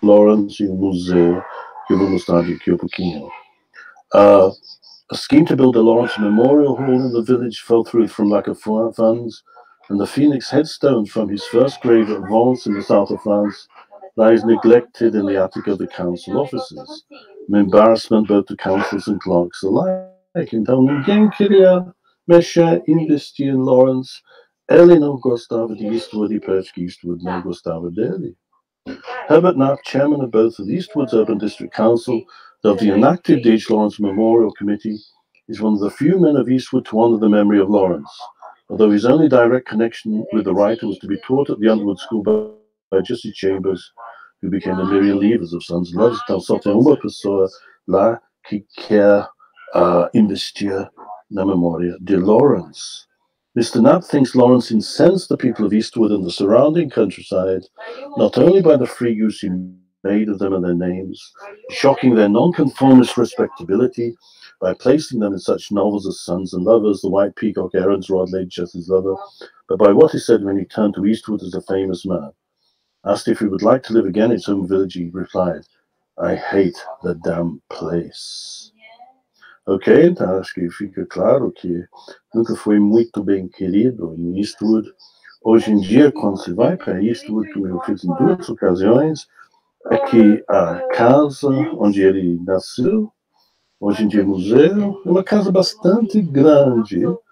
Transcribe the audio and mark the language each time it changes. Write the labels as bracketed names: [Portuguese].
[Portuguese] Lawrence e um museu que eu vou mostrar daqui a pouquinho. [English] A scheme to build a Lawrence Memorial Hall in the village fell through from lack of funds, and the Phoenix headstone from his first grave at Vence in the south of France lies neglected in the attic of the council offices. An embarrassment both to councils and clerks alike. [Portuguese] Então, ninguém queria mexer, investir em Lawrence. Ele não gostava de Eastwood e parece que Eastwood não gostava dele. [English] Herbert Knapp, chairman of both of Eastwood's Urban District Council and of the inactive D.H. Lawrence Memorial Committee, is one of the few men of Eastwood to honor the memory of Lawrence. Although his only direct connection with the writer was to be taught at the Underwood School by Jesse Chambers, who became the Miriam Leavers of Sons and Loves. [Portuguese] Então só tem uma pessoa lá que quer investir na memória de Lawrence. [English] Mr. Knapp thinks Lawrence incensed the people of Eastwood and the surrounding countryside, not only by the free use he made of them and their names, shocking their nonconformist respectability by placing them in such novels as Sons and Lovers, The White Peacock, Aaron's Rod, Lady Chester's Lover, but by what he said when he turned to Eastwood as a famous man. Asked if he would like to live again in his home village, he replied, I hate the damn place. [Portuguese] Ok, então acho que fica claro que nunca foi muito bem querido em Eastwood. Hoje em dia, quando você vai para Eastwood, como eu fiz em duas ocasiões, é que a casa onde ele nasceu, hoje em dia é museu, é uma casa bastante grande.